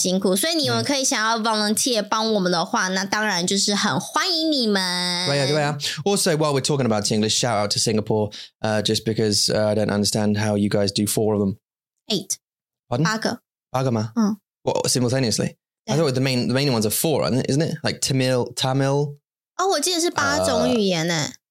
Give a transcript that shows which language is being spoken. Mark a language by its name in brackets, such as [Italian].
[Chinese] 对，就是这么多语言的广播，真的做起来是很不容易，也很辛苦。所以你们可以想要 volunteer 帮我们的话，那当然就是很欢迎你们。对啊，对啊。 [English] Also, while we're talking about English, shout out to Singapore. Just because I don't understand how you guys do four of them. Eight. Pardon? [Chinese] 八个吗？嗯。 [English] Well, simultaneously. I thought the main ones are four, isn't it? Like Tamil. [Chinese] Oh, 我记得是八种语言呢。